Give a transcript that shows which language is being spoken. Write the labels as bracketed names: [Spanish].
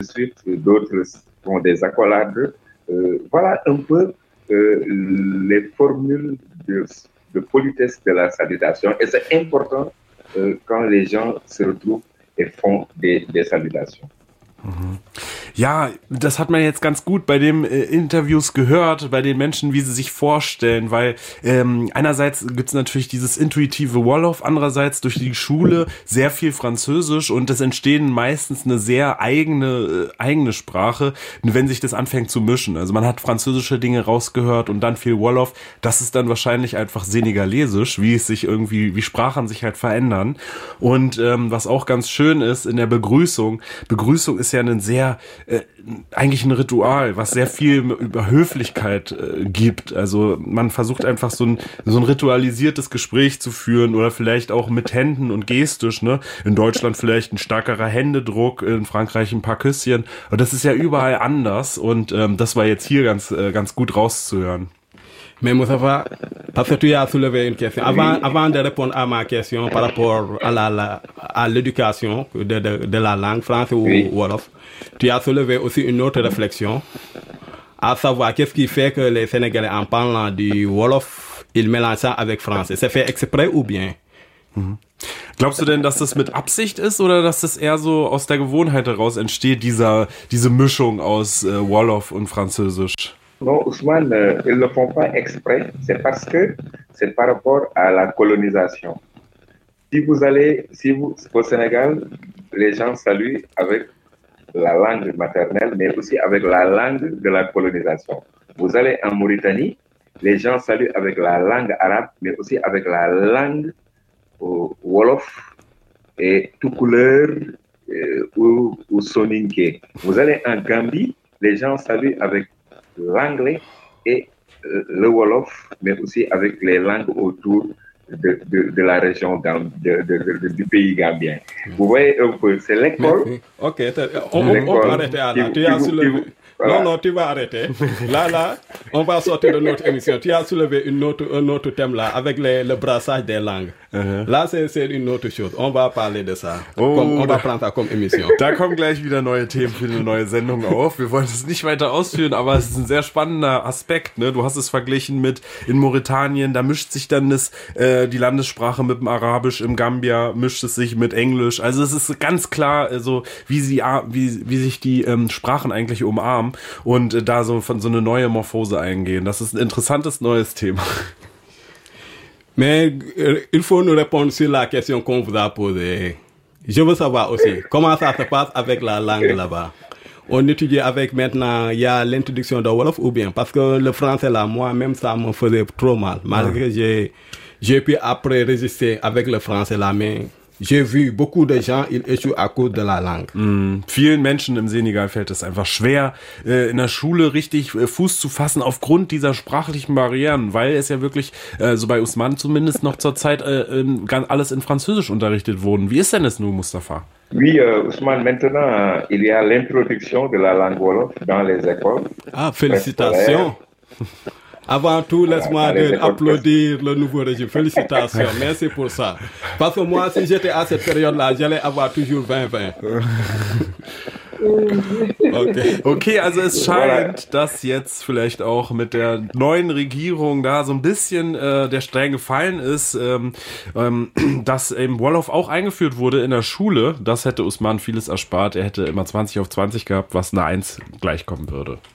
[French] ensuite d'autres font des accolades. Voilà un peu les formules de politesse de la salutation. Et c'est important quand les gens se retrouvent et font des salutations. [German] Ja, das hat man jetzt ganz gut bei den Interviews gehört, bei den Menschen, wie sie sich vorstellen, weil einerseits gibt es natürlich dieses intuitive Wolof, andererseits durch die Schule sehr viel Französisch und es entstehen meistens eine sehr eigene Sprache, wenn sich das anfängt zu mischen. Also man hat französische Dinge rausgehört und dann viel Wolof. Das ist dann wahrscheinlich einfach Senegalesisch, wie es sich irgendwie, wie Sprachen sich halt verändern. Und was auch ganz schön ist in der Begrüßung, Begrüßung ist ja ein sehr eigentlich ein Ritual, was sehr viel über Höflichkeit gibt. Also man versucht einfach so ein ritualisiertes Gespräch zu führen oder vielleicht auch mit Händen und gestisch, ne? In Deutschland vielleicht ein stärkerer Händedruck, in Frankreich ein paar Küsschen. Und das ist ja überall anders und das war jetzt hier ganz, ganz gut rauszuhören. [French] Mais Moussafa, parce que tu as soulevé une question. Avant de répondre à ma question par rapport à l'éducation de la langue française ou wolof, tu as soulevé aussi une autre réflexion, à savoir qu'est-ce qui fait que les Sénégalais, en parlant du wolof, ils mélangent ça avec français. C'est fait exprès ou bien? Glaubst du denn, dass das mit Absicht ist oder dass das eher so aus der Gewohnheit heraus entsteht, diese Mischung aus Wolof und Französisch? Non, Ousmane, ils ne le font pas exprès, c'est parce que c'est par rapport à la colonisation. Si vous allez au Sénégal, les gens saluent avec la langue maternelle, mais aussi avec la langue de la colonisation. Vous allez en Mauritanie, les gens saluent avec la langue arabe, mais aussi avec la langue wolof et toucouleur ou soninké. Vous allez en Gambie, les gens saluent avec l'anglais et le wolof, mais aussi avec les langues autour de la région du pays gambien. Vous voyez un peu, c'est l'école. Merci. Ok, on peut arrêter là. Tu as soulevé. Non, Voilà. non, tu vas arrêter. Là, on va sortir de notre émission. Tu as soulevé un autre thème là avec le brassage des langues. Là, c'est une autre chose. On va parler de ça. Oh, On va prendre ça comme émission. [German] Da kommen gleich wieder neue Themen für eine neue Sendung auf. Wir wollen es nicht weiter ausführen, aber es ist ein sehr spannender Aspekt, ne? Du hast es verglichen mit in Mauretanien, da mischt sich dann die Landessprache mit dem Arabisch, im Gambia mischt es sich mit Englisch. Also es ist ganz klar, so wie sich die Sprachen eigentlich umarmen und da so von so eine neue Morphose eingehen. Das ist ein interessantes neues Thema. [French] Mais il faut nous répondre sur la question qu'on vous a posée. Je veux savoir aussi comment ça se passe avec la langue là-bas. On étudie avec maintenant, il y a l'introduction de Wolof ou bien, parce que le français là, moi-même, ça me faisait trop mal. Malgré que j'ai pu après résister avec le français là, mais j'ai vu beaucoup de gens, ils échouent à cause de la langue. [German] Vielen Menschen im Senegal fällt es einfach schwer, in der Schule richtig Fuß zu fassen aufgrund dieser sprachlichen Barrieren, weil es ja wirklich, so bei Ousmane zumindest noch zur Zeit, alles in Französisch unterrichtet wurden. Wie ist denn es nun, Mustafa? [French] Oui, Ousmane, maintenant, il y a l'introduction de la langue wolof dans les écoles Ah, félicitations. préscolaires. Avant tout, laisse-moi Dans les écoles préscolaires. applaudir le nouveau régime. Félicitations, merci pour ça. Parce que moi, si j'étais à cette période-là, j'allais avoir toujours 20-20. [German] Okay, also es scheint, dass jetzt vielleicht auch mit der neuen Regierung da so ein bisschen der Stein gefallen ist, dass eben Wolof auch eingeführt wurde in der Schule. Das hätte Usman vieles erspart. Er hätte immer 20 auf 20 gehabt, was eine 1 gleichkommen würde.